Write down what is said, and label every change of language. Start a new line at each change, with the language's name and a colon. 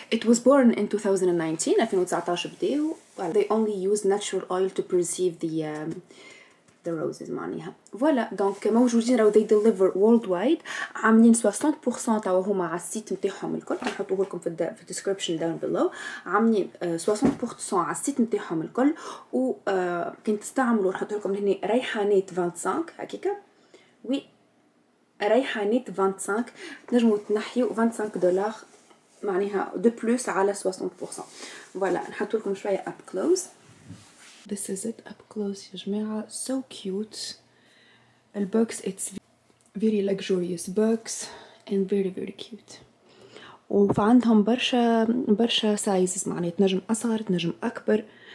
English: was born in 2019 2019 they only use natural oil to preserve the roses
Arabic: معناها
French: voilà donc
Arabic: موجودين راهو
English: they deliver worldwide
Arabic: عاملين 60% تاعو هما على السيت نتاعهم الكل نحطوه لكم في الديسكريبشن داون بيلو عاملين 60% على السيت نتاعهم الكل و كنت تستعملوا نحط لكم هنا ريحانات 25 هكيكا وي ريحانات 25 تنجموا تنحيوا 25 دولار معناها دو بلوس على 60% فوالا نحط لكم شويه اب كلوز
English: This is it up close,
Arabic: يا جماعة.
English: So cute. The box it's very luxurious box and very very cute.
Arabic: وفي عندهم برشة سايزز معناها تنجم أصغر تنجم أكبر.